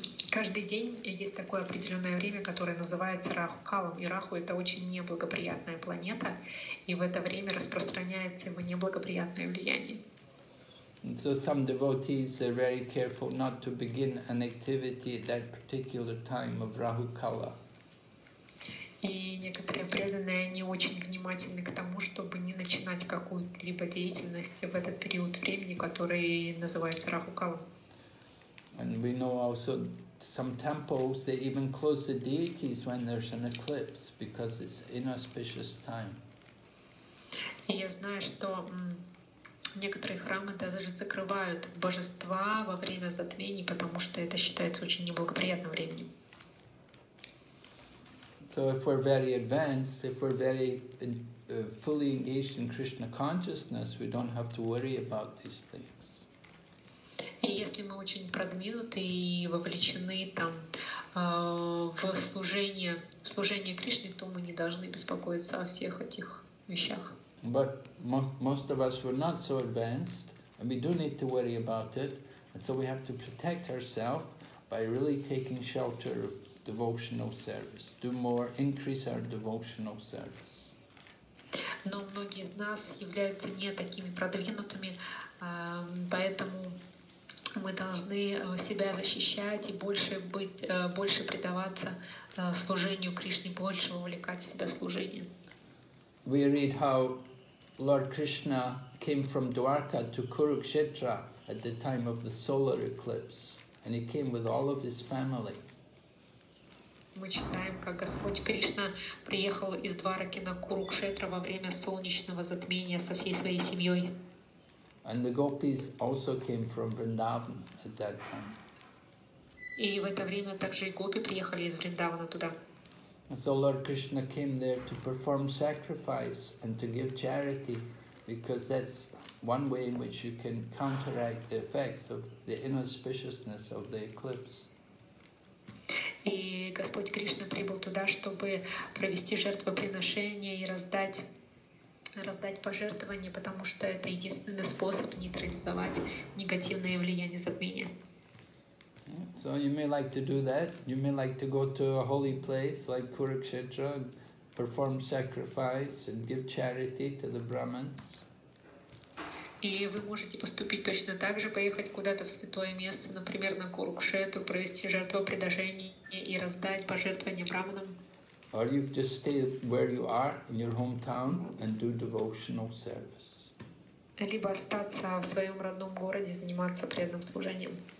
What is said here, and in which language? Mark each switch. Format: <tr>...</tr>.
<ru>Каждый день есть такое определенное время, которое называется Раху Калом. И Раху — это очень неблагоприятная планета, и в это время распространяется его неблагоприятное влияние.</ru> <en>And so some devotees are very careful not to begin an activity at that particular time of Rahu Kala.</en> <ru>И некоторые преданные не очень внимательны к тому, чтобы не начинать какую-либо деятельность в этот период времени, который называется Rahu Kala.</ru> <en>And we know also some temples, they even close the deities when there's an eclipse because it's inauspicious time.</en> <ru>И я знаю, что некоторые храмы даже закрывают божества во время затмений, потому что это считается очень неблагоприятным временем.</ru> <en>So if we're very advanced, if we're very fully engaged in Krishna consciousness, we don't have to worry about these things.</en> <ru>И если мы очень продвинуты и вовлечены там в служение Кришне, то мы не должны беспокоиться о всех этих вещах.</ru> <en>But most of us were not so advanced, and we do need to worry about it, and so we have to protect ourselves by really taking shelter of devotional service, do more, increase our devotional service.</en> <ru>Но многие из нас являются не такими продвинутыми, поэтому мы должны себя защищать и больше предаваться служению Кришне, больше вовлекать в себя в служение.</ru> <en>We read how Lord Krishna came from Dwarka to Kurukshetra at the time of the solar eclipse, and he came with all of his family.</en> <ru>Мы читаем, как Господь Кришна приехал из Двараки на Курукшетра во время солнечного затмения со всей своей семьей.</ru> <en>And the gopis also came from Vrindavan at that time.</en> <ru>И в это время также и гопи приехали из Вриндавана туда.</ru> <en>And so Lord Krishna came there to perform sacrifice and to give charity, because that's one way in which you can counteract the effects of the inauspiciousness of the eclipse.</en> <ru>И Господь Кришна прибыл туда, чтобы провести жертвоприношение и раздать пожертвования, потому что это единственный способ нейтрализовать негативное влияние затмения.</ru> <en>So you may like to do that. You may like to go to a holy place like Kurukshetra and perform sacrifice and give charity to the Brahmins.</en> <ru>И вы можете поступить точно так же, поехать куда-то в святое место, например, на Курукшетру, провести жертвоприношение и раздать пожертвования браманам.</ru> <en>Or you just stay where you are in your hometown and do devotional service.</en> <ru>Либо остаться в своем родном городе, заниматься преданным служением.</ru>